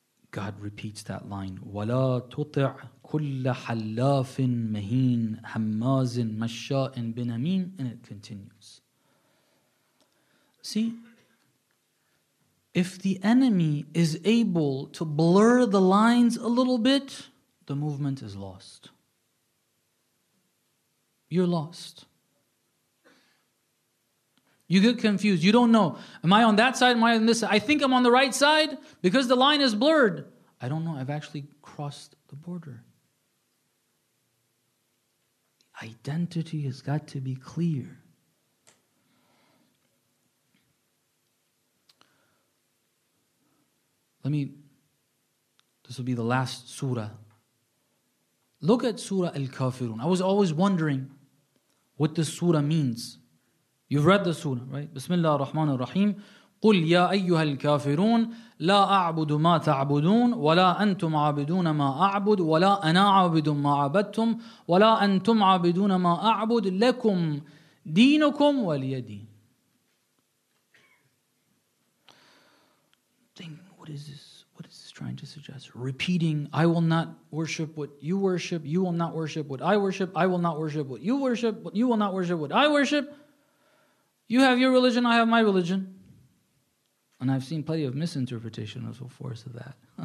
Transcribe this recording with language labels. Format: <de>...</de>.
<en>God repeats that line,</en> <ar>وَلَا تُطِعْ كُلَّ حَلَّافٍ مَهِينٍ هَمَّازٍ مَشَّاءٍ بِنَمِينٍ</ar> <en>And it continues. See, if the enemy is able to blur the lines a little bit, the movement is lost. You're lost. You get confused. You don't know. Am I on that side? Am I on this side? I think I'm on the right side because the line is blurred. I don't know. I've actually crossed the border. Identity has got to be clear. Let me... This will be the last surah. Look at Surah Al-Kafirun. I was always wondering what this surah means. You've read the surah, right?</en> <ar>Bismillah ar-Rahman ar-Rahim. قُلْ يَا أَيُّهَا الْكَافِرُونَ لَا أَعْبُدُ مَا تَعْبُدُونَ وَلَا أَنْتُمْ عَابِدُونَ مَا أَعْبُدُ وَلَا أَنَا عَابِدٌ مَا عَبَدْتُمْ وَلَا أَنْتُمْ عَابِدُونَ مَا أَعْبُدُ لَكُمْ دِينُكُمْ وَلِيَ دِينِ</ar> <en>Think, what is this? What is this trying to suggest? Repeating, I will not worship what you worship, you will not worship what I worship, I will not worship what you worship, but you will not worship what I worship. You have your religion, I have my religion. And I've seen plenty of misinterpretation and so forth of that.</en>